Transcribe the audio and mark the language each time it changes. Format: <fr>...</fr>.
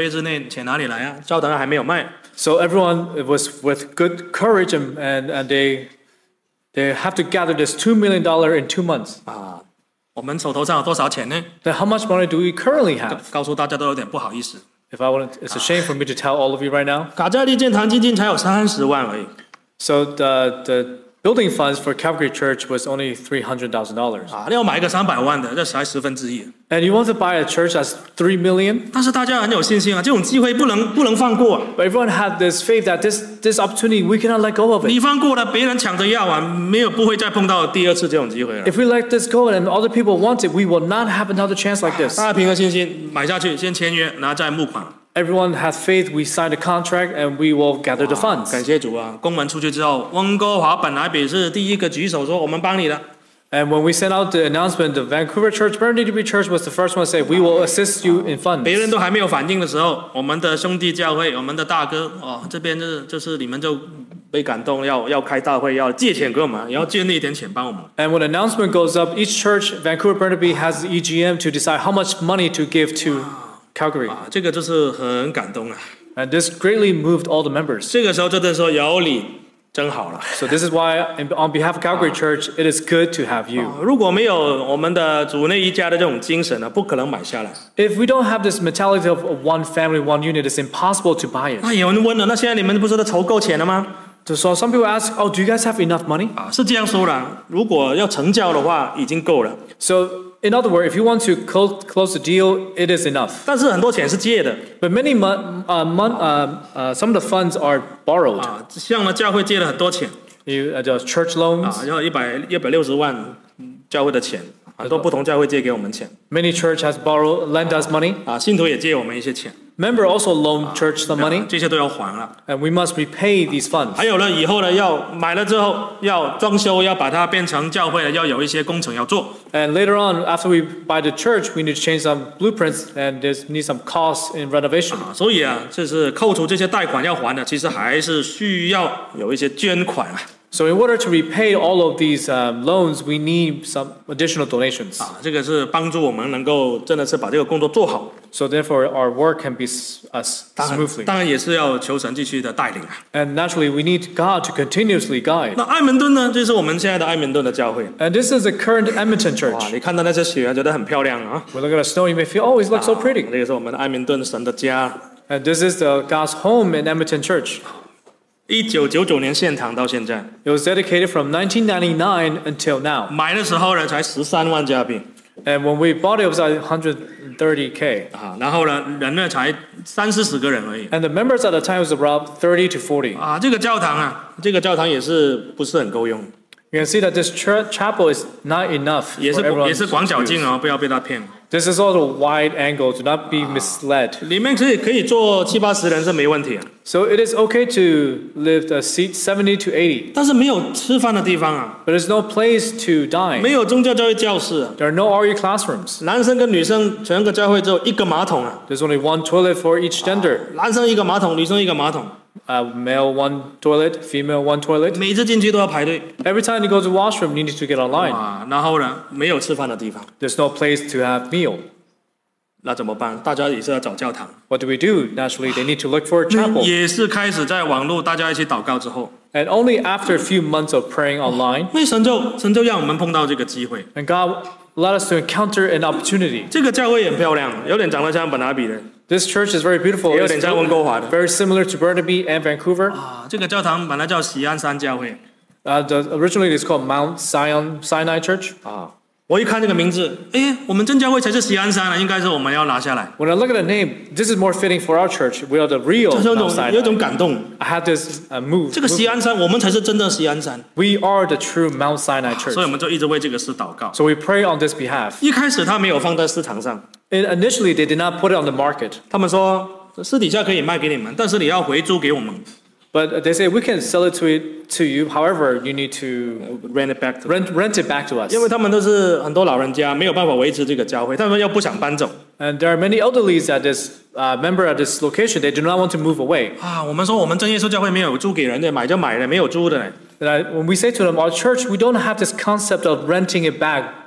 <zh>但是买了，大家这胆子很大了，凭信心了。那300万，那现在变200万，那要2个月之内钱哪里来啊？交等还没有卖。</zh> <en>So everyone it was with good courage and they have to gather this $2 million in 2 months.</en> <zh>我们手头上有多少钱呢？</zh> <en>Then how much money do we currently have?</en> <zh>告诉大家都有点不好意思。</zh> <en>If I wouldn't, it's a shame for me to tell all of you right now.</en> <zh>卡加利建堂基金才有30万而已。</zh> <en>So the building funds for Calvary Church was only $300,000. And you want to buy a church that's $3 million?</en> <zh>但是大家很有信心啊，这种机会不能放过。</zh> <en>But everyone had this faith that this opportunity, we cannot let go of it.</en> <zh>你放过了，别人抢着要啊，没有不会再碰到第二次这种机会了。</zh> <en>If we let this go and other people want it, we will not have another chance like this.</en> <zh>大家凭着信心买下去，先签约，拿债募款。</zh> <en>Everyone has faith, we sign the contract, and we will gather the funds.</en> <zh>感谢主啊, 公文出去之后, 温哥华本来比是第一个举手说我们帮你的。</zh> <en>And when we sent out the announcement, the Vancouver Church, Burnaby Church was the first one to say, we will assist you in funds.</en> <zh>别人都还没有反应的时候, 我们的兄弟教会, 我们的大哥, 这边就是你们就 被感动要开大会要借钱给我们，要建立一点钱帮我们。</zh> <en>And when announcement goes up, each church, Vancouver Burnaby has the EGM to decide how much money to give to Calgary.</en> <zh>这个就是很感动啊。</zh> <en>And this greatly moved all the members.</en> <zh>这个时候就是说有你真好了。</zh> <en>So this is why on behalf of Calgary Church, it is good to have you.</en> <zh>如果没有我们的主内一家的这种精神呢，不可能买下来。</zh> <en>If we don't have this mentality of one family, one unit, it's impossible to buy it.</en> <zh>有人问了，那现在你们不是都筹够钱了吗？</zh> <en>So some people ask, oh, do you guys have enough money?</en> <zh>是这样说的，如果要成交的话，已经够了。</zh> <en>So in other words, if you want to close the deal, it is enough.</en> <zh>但是很多钱是借的。</zh> <en>But many some of the funds are borrowed.</en> <zh>向了教会借了很多钱。</zh> <en>You, church loans.</en> <zh>要160万教会的钱。很多不同教会借给我们钱。</zh> <en>Many church has borrowed, lend us money.</en> <zh>信徒也借我们一些钱。</zh> <en>Member also loan church the money.</en> <zh>这些都要还了。</zh> <en>And we must repay these funds.</en> <zh>还有呢，以后呢，要买了之后，要装修，要把它变成教会，要有一些工程要做。</zh> <en>And later on, after we buy the church, we need to change some blueprints and there's need some costs in renovation.</en> <zh>所以啊，就是扣除这些贷款要还的，其实还是需要有一些捐款啊。</zh> <en>So in order to repay all of these loans, we need some additional donations.</en> <zh>这个是帮助我们能够真的是把这个工作做好。</zh> <en>So therefore, our work can be smoothly.</en> <zh>当然也是要求神继续的带领啊。</zh> <en>And naturally, we need God to continuously guide.</en> <zh>那艾蒙顿呢？就是我们现在的艾蒙顿的教会。</zh> <en>And this is the current Edmonton church.</en> <zh>你看到那些雪，觉得很漂亮啊。</zh> <en>We look at the snow, you may feel, oh, it looks so pretty.</en> <zh>这个是我们艾蒙顿神的家。</zh> <en>And this is the God's home in Edmonton church.</en> <zh>1999年建堂到现在</zh> <en>It was dedicated from 1999 until now.</en> <zh>买的时候呢才13万加币</zh> <en>And when we bought it, it was like 130K.</en> <zh>然后呢人呢才三四十个人而已</zh> <en>And the members at the time was about 30 to 40.</en> <zh>这个教堂啊这个教堂也是不是很够用</zh> <en>You can see that this chapel is not enough.</en> <zh>也是广角镜哦不要被他骗</zh> <en>This is also wide angle. Do not be misled.</en> <zh>里面可以坐七八十人是没问题啊</zh> <en>So it is okay to live a seat 70 to 80.</en> <zh>但是没有吃饭的地方啊。</zh> <en>But there's no place to dine.</en> <zh>没有宗教教育教室。</zh> <en>There are no RU classrooms.</en> <zh>男生跟女生整个教会只有一个马桶啊。</zh> <en>There's only one toilet for each gender.</en> <zh>男生一个马桶，女生一个马桶。</zh> <en>Male one toilet, female one toilet.</en> <zh>每次进去都要排队。</zh> <en>Every time you go to the washroom, you need to get online.</en> <zh>然后呢，没有吃饭的地方。</zh> <en>There's no place to have meal.</en> <zh>那怎么办？大家也是要找教堂。</zh> <en>What do we do? Naturally, they need to look for a chapel.</en> <zh>也是开始在网络大家一起祷告之后。</zh> <en>And only after a few months of praying online.</en> <zh>那神就让我们碰到这个机会。</zh> <en>And God led us to encounter an opportunity.</en> <zh>这个教会很漂亮，有点长得像本拿比的。</zh> <en>This church is very beautiful.</en> <zh>也有点像温哥华的。</zh> <en>Very similar to Burnaby and Vancouver.</en> <zh>这个教堂本来叫锡安山教会。</zh> <en>Originally, it's called Mount Sinai Church.</en> <zh>我一看这个名字，哎，我们真教会才是锡安山了，应该是我们要拿下来。</zh> <en>When I look at the name, this is more fitting for our church. We are the real.</en> <zh>就有种感动。</zh> <en>I had this move.</en> <zh>这个锡安山，我们才是真的锡安山。</zh> <en>We are the true Mount Sinai Church.</en> <zh>所以我们就一直为这个事祷告。</zh> <en>So we pray on this behalf.</en> <zh>一开始他没有放在市场上。</zh> <en>Initially, they did not put it on the market.</en> <zh>他们说私底下可以卖给你们，但是你要回租给我们。</zh> <en>But they say we can sell it to you. However, you need to rent it back to us.</en> <zh>因为他们都是很多老人家，没有办法维持这个教会，他们又不想搬走。</zh> <en>And there are many elderly at this member at this location. They do not want to move away.</en> <zh>我们说我们真耶稣教会没有租给人的，买就买的，没有租的。</zh> <en>When we say to them, our church, we don't have this concept of renting it back.</en>